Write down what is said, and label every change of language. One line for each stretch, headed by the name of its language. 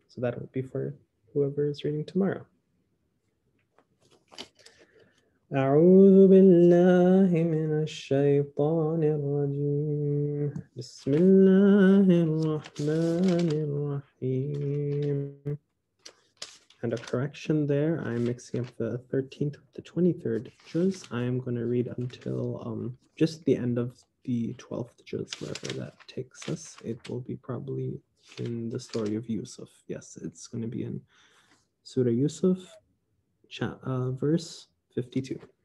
English: So that will be for whoever is reading tomorrow.
Arabic: أعوذ بالله من الشيطان الرجيم بسم الله الرحمن الرحيم.
English: And a correction there, I'm mixing up the 13th with the 23rd juz. I am going to read until just the end of the 12th juz, wherever that takes us. It will be probably in the story of Yusuf. Yes, it's going to be in Surah Yusuf, verse 52.